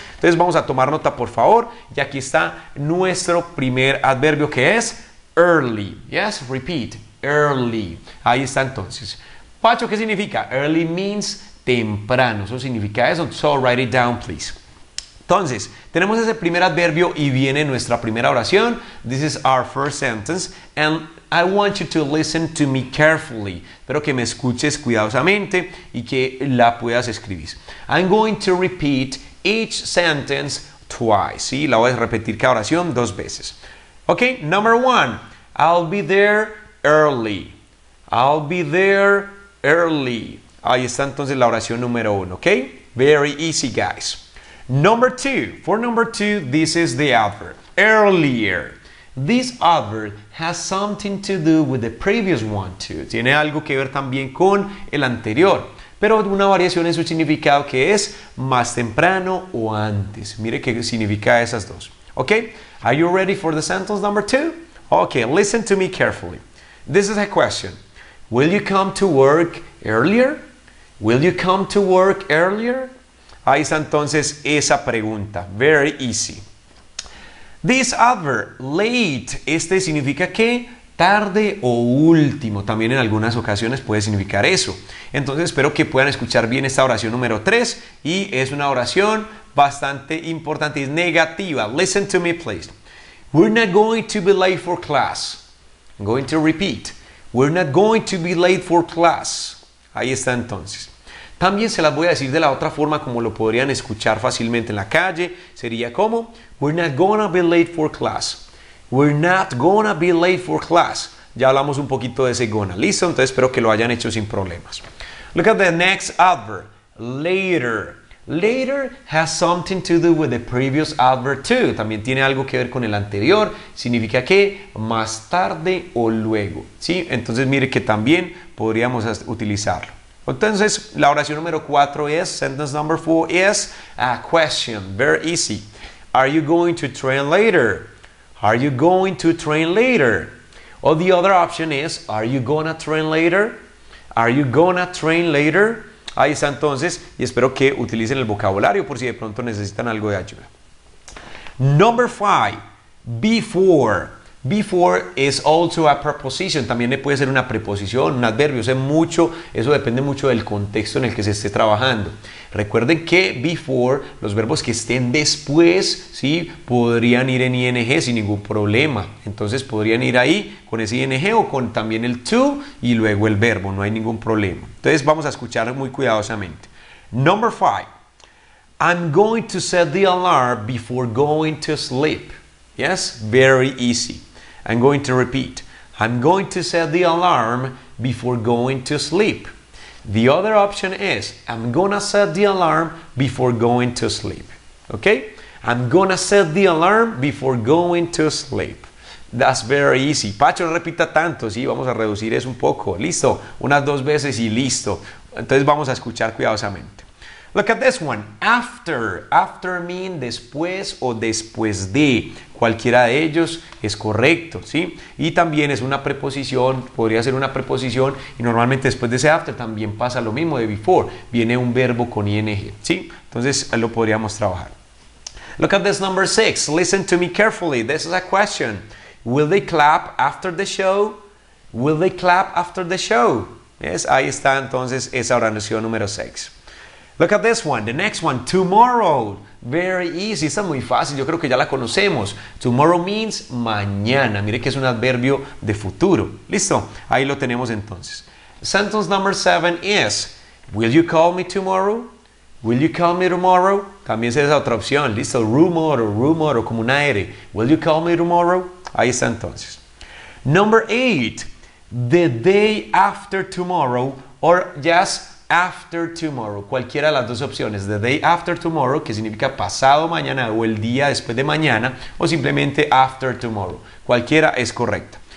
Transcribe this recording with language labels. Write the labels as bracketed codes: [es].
[es] Entonces vamos a tomar nota, por favor. Y aquí está nuestro primer adverbio, que es early. [en] Yes, repeat. Early. [es] Ahí está entonces. Pacho, ¿qué significa? [en] Early means temprano. [es] ¿Eso significa eso? [en] So write it down, please. [es] Entonces, tenemos ese primer adverbio y viene nuestra primera oración. [en] This is our first sentence. And I want you to listen to me carefully. [es] Espero que me escuches cuidadosamente y que la puedas escribir. [en] I'm going to repeat each sentence twice. [es] ¿Sí? La voy a repetir cada oración dos veces. [en] Ok, number one. I'll be there early. I'll be there early. [es] Ahí está entonces la oración número uno. [en] Ok, very easy, guys. Number two. For number two, this is the adverb. Earlier. This adverb has something to do with the previous one, too. [es] Tiene algo que ver también con el anterior. Pero una variación en su significado, que es más temprano o antes. Mire qué significa esas dos. [en] Okay? Are you ready for the sentence number two? Okay, listen to me carefully. This is a question. Will you come to work earlier? Will you come to work earlier? [es] Ahí está entonces esa pregunta. [en] Very easy. This adverb, [es] late, este significa que tarde o último. También en algunas ocasiones puede significar eso. Entonces espero que puedan escuchar bien esta oración número 3 y es una oración bastante importante, es negativa. [en] Listen to me, please. We're not going to be late for class. I'm going to repeat. We're not going to be late for class. [es] Ahí está entonces. También se las voy a decir de la otra forma, como lo podrían escuchar fácilmente en la calle. Sería como, [en] we're not gonna be late for class. We're not gonna be late for class. [es] Ya hablamos un poquito de ese gonna. ¿Listo? Entonces espero que lo hayan hecho sin problemas. [en] Look at the next adverb. Later. Later has something to do with the previous adverb too. [es] También tiene algo que ver con el anterior. Significa que más tarde o luego. ¿Sí? Entonces mire que también podríamos utilizarlo. Entonces, la oración número 4 es, [en] sentence number 4 is a question. Very easy. Are you going to train later? Are you going to train later? Or the other option is, are you gonna train later? Are you gonna train later? [es] Ahí está entonces, y espero que utilicen el vocabulario por si de pronto necesitan algo de ayuda. [en] Number 5, before. Before is also a preposition. [es] También puede ser una preposición, un adverbio. Sé mucho, eso depende mucho del contexto en el que se esté trabajando. Recuerden que before, los verbos que estén después, ¿sí? Podrían ir en ing sin ningún problema. Entonces podrían ir ahí con ese ing o con también el to y luego el verbo. No hay ningún problema. Entonces vamos a escuchar muy cuidadosamente. [en] Number 5. I'm going to set the alarm before going to sleep. Yes, very easy. I'm going to repeat. I'm going to set the alarm before going to sleep. The other option is, I'm gonna set the alarm before going to sleep. Okay? I'm gonna set the alarm before going to sleep. That's very easy. [es] Pacho, no repita tanto, sí, vamos a reducir eso un poco. Listo, unas dos veces y listo. Entonces vamos a escuchar cuidadosamente. [en] Look at this one. [es] After. [en] After mean [es] después o después de. Cualquiera de ellos es correcto, ¿sí? Y también es una preposición, podría ser una preposición, y normalmente después de ese after también pasa lo mismo de before. Viene un verbo con ing, ¿sí? Entonces lo podríamos trabajar. [en] Look at this number six. Listen to me carefully. This is a question. Will they clap after the show? Will they clap after the show? [es] ¿Ves? Ahí está entonces esa oración número 6. [en] Look at this one, the next one, tomorrow. Very easy, [es] está muy fácil, yo creo que ya la conocemos. [en] Tomorrow means [es] mañana, mire que es un adverbio de futuro. Listo, ahí lo tenemos entonces. [en] Sentence number seven is, will you call me tomorrow? Will you call me tomorrow? [es] También es esa otra opción, listo, rumor o como una R. [en] Will you call me tomorrow? [es] Ahí está entonces. [en] Number eight, the day after tomorrow [es] or just after tomorrow, cualquiera de las dos opciones, [en] the day after tomorrow, [es] que significa pasado mañana o el día después de mañana, o simplemente [en] after tomorrow, [es] cualquiera es correcta.